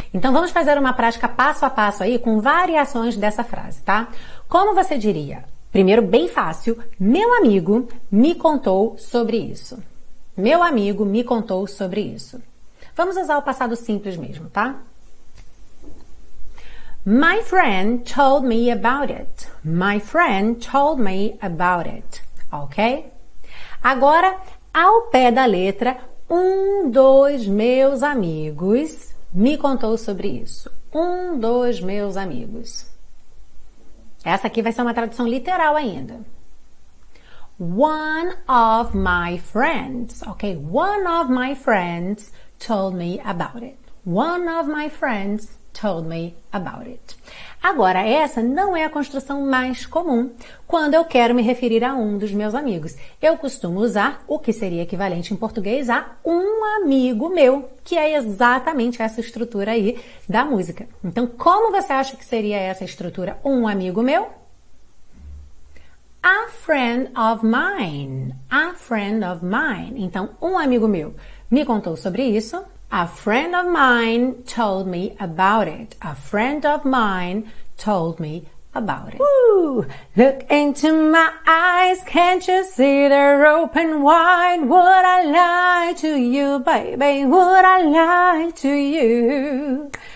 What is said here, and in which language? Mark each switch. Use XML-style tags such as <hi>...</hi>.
<pt>Então, vamos fazer uma prática passo a passo aí com variações dessa frase, tá? Como você diria? Primeiro, bem fácil, meu amigo me contou sobre isso. Meu amigo me contou sobre isso. Vamos usar o passado simples mesmo, tá?</pt> <en>My friend told me about it. My friend told me about it. Ok?</en> <pt>Agora, ao pé da letra, um dos meus amigos me contou sobre isso. Um dos meus amigos. Essa aqui vai ser uma tradução literal ainda.</pt> <en>One of my friends, ok? One of my friends told me about it. One of my friends told me about it.</en> <pt>Agora, essa não é a construção mais comum quando eu quero me referir a um dos meus amigos. Eu costumo usar o que seria equivalente em português a um amigo meu, que é exatamente essa estrutura aí da música. Então, como você acha que seria essa estrutura, um amigo meu?</pt> <en>A friend of mine. A friend of mine.</en> <pt>Então, um amigo meu me contou sobre isso.</pt> <en>A friend of mine told me about it. A friend of mine told me about it. Woo! Look into my eyes, can't you see they're open wide? Would I lie to you, baby? Would I lie to you?</en>